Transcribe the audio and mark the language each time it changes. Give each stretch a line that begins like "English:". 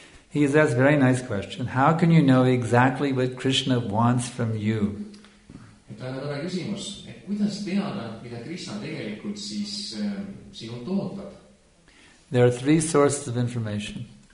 English: He has asked a very nice question. How can you know exactly what Krishna wants from you?
Estonian: Et on tore küsimus, et kuidas teada, mida Krishna tegelikult siis sinult ootab?
English: There are three sources of information.